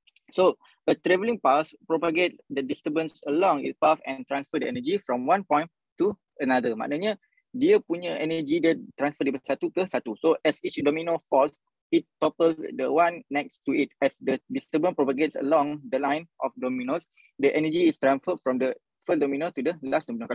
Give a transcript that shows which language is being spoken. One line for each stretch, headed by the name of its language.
English: So a traveling path propagate the disturbance along its path and transfer the energy from one point to another.
Malay: Maknanya dia punya energy dia transfer dari satu ke satu.
English: So as each domino falls, it topples the one next to it. As the disturbance propagates along the line of dominoes, the energy is transferred from the first domino to the last domino.